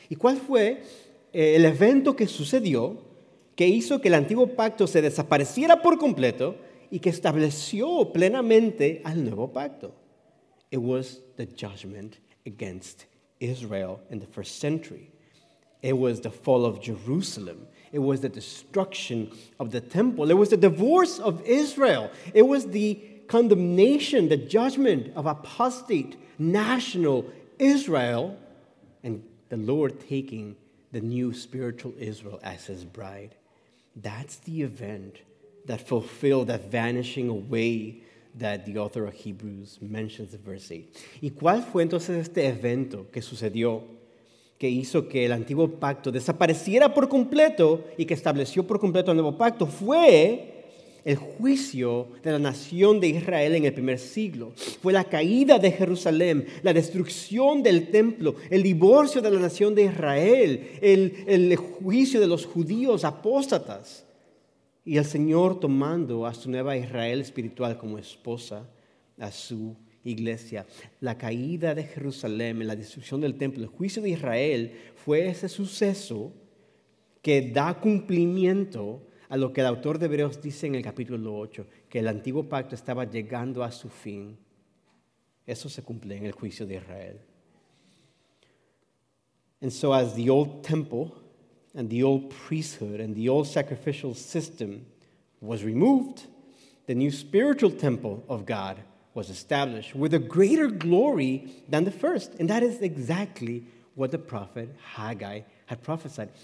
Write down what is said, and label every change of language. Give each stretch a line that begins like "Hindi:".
Spanish: ¿Y cuál fue el evento que sucedió que hizo que el antiguo pacto se desapareciera por completo y que estableció plenamente al nuevo pacto?
English: It was the judgment against Israel in the first century. It was the fall of Jerusalem. It was the destruction of the temple. It was the divorce of Israel. It was the condemnation, the judgment of apostate national Israel, and the Lord taking the new spiritual Israel as his bride. That's the event that fulfilled that vanishing away that the author of Hebrews mentions in verse 8.
Spanish: ¿Y cuál fue entonces este evento que sucedió que hizo que el antiguo pacto desapareciera por completo y que estableció por completo el nuevo pacto? Fue el juicio de la nación de Israel en el primer siglo. Fue la caída de Jerusalén, la destrucción del templo, el divorcio de la nación de Israel, el juicio de los judíos apóstatas. Y el Señor tomando a su nueva Israel espiritual como esposa, a su iglesia. La caída de Jerusalén, la destrucción del templo, el juicio de Israel, fue ese suceso que da cumplimiento a lo que el autor de Hebreos dice en el capítulo 8, que el antiguo pacto estaba llegando a su fin. Eso se cumple en el juicio de Israel.
English: And so as the old temple and the old priesthood and the old sacrificial system was removed, the new spiritual temple of God was established with a greater glory than the first. And that is exactly what the prophet Haggai had prophesied.